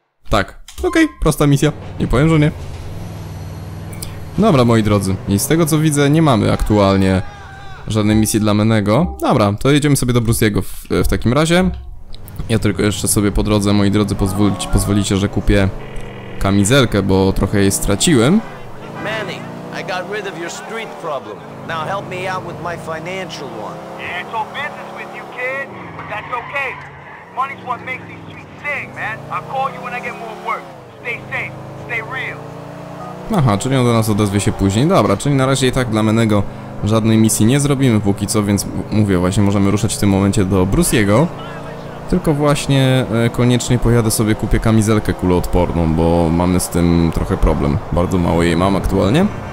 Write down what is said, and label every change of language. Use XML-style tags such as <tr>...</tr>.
<pl>Tak. Okej, prosta misja. Nie powiem, że nie. Dobra, moi drodzy. I z tego co widzę, nie mamy aktualnie żadnej misji dla Menego. Dobra, to jedziemy sobie do Bruce'ego w takim razie. Ja tylko jeszcze sobie po drodze, moi drodzy, pozwolicie, że kupię kamizelkę, bo trochę jej straciłem.</pl> <en>Manny, I got rid of your street problem. Now help me out with my financial one. Yeah, it's all business with you, kid, but that's okay. Money's what makes these streets sing, man. I'll call you when I get more work. Stay safe, stay real.</en> <pl>Aha, czyli on do nas odezwie się później. Dobra, czyli na razie i tak dla Menego żadnej misji nie zrobimy póki co, więc mówię, właśnie możemy ruszać w tym momencie do Bruce'ego. Tylko właśnie koniecznie pojadę sobie, kupię kamizelkę kuloodporną, bo mamy z tym trochę problem. Bardzo mało jej mam aktualnie.</pl>